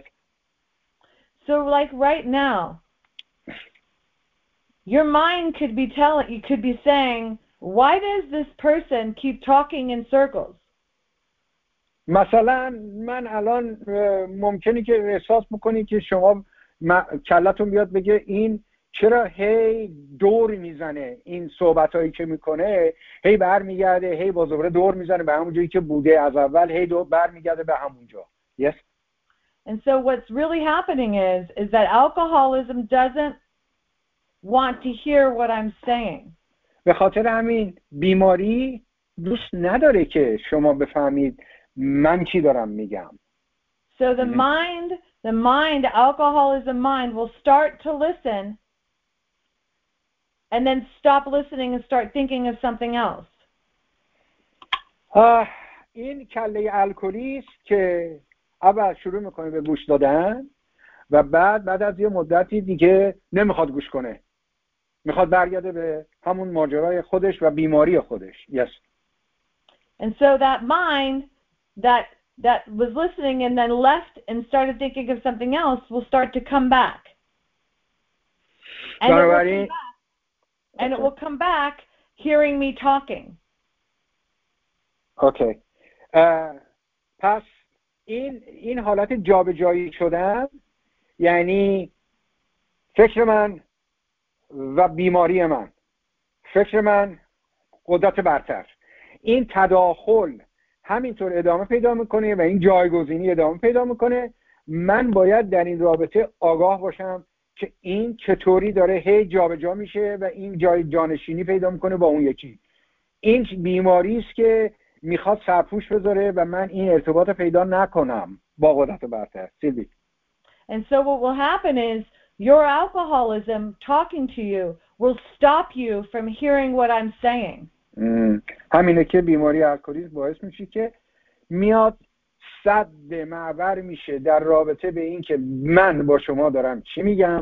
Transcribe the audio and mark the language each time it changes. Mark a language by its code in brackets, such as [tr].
[en] Yes. So like right now your mind could be telling you, could be saying, why does this person keep talking in circles? [fa] مثلا من الان ممکنه که احساس بکنی که شما کلتون بیاد بگه این چرا هی دور میزنه، این صحبتایی که میکنه هی برمیگرده، هی باز دوباره دور میزنه به همون جایی که بوده از اول، هی دور برمیگرده به همونجا. [en] Yes. And so what's really happening is that alcoholism doesn't want to hear what I'm saying. [fa] به خاطر همین بیماری دوست نداره که شما بفهمید من چی دارم میگم. [en] So the mind, alcoholism mind will start to listen and then stop listening and start thinking of something else. [fa] این کله الکلیست که اول شروع میکنه به گوش دادن و بعد از یه مدتی دیگه نمیخواد گوش کنه. میخواد برگرده به همون ماجرای خودش و بیماری خودش. [en] Yes. And so that mind that was listening and then left and started thinking of something else will start to come back. And, [fa] بنابراین... [en] and it will come back hearing me talking. Okay. [fa] پس این حالت جابجایی شدن یعنی فکر من و بیماری من، فکر من قدرت برتر، این تداخل همینطور ادامه پیدا میکنه و این جایگزینی ادامه پیدا میکنه. من باید در این رابطه آگاه باشم که این چطوری داره هی جابجا میشه و این جای جانشینی پیدا میکنه با اون یکی. این بیماری است که میخواد سرپوش بذاره و من این ارتباط پیدا نکنم با قدرت برتر. سیلوی. [en] And so what will happen is your alcoholism talking to you will stop you from hearing what I'm saying. [fa] همینه که بیماری الکلیسم باعث میشه که میاد سد معبر میشه در رابطه به این که من با شما دارم چی میگم.